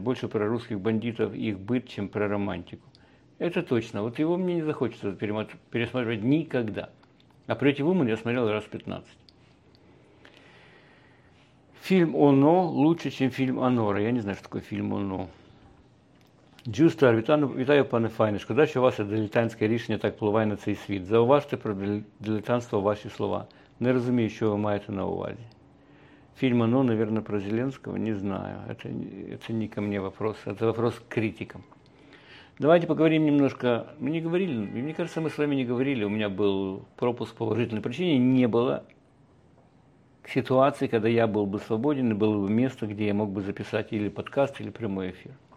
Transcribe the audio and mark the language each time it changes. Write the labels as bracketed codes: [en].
[ru] Больше про русских бандитов и их быт, чем про романтику». Это точно. Вот его мне не захочется пересматривать никогда. А «Pretty Woman» я смотрел раз 15. Фильм «Оно» лучше, чем фильм «Анора». Я не знаю, что такое фильм «Оно». [uk] Джустар, вітаю, пане Файнишко. Дальше у вас дилетантське рішення так впливає на цей світ. Зауважте про дилетантство ваші слова. Не розумію, що ви маєте на увазі. Фільм «Оно», наверное, про Зеленського, не знаю. [ru] Это не ко мне вопрос, это вопрос к критикам. Давайте поговорим немножко. Мы не говорили, мне кажется, мы с вами не говорили. У меня был пропуск по уважительной причине. Не было ситуации, когда я был бы свободен, и было бы место, где я мог бы записать или подкаст, или прямой эфир.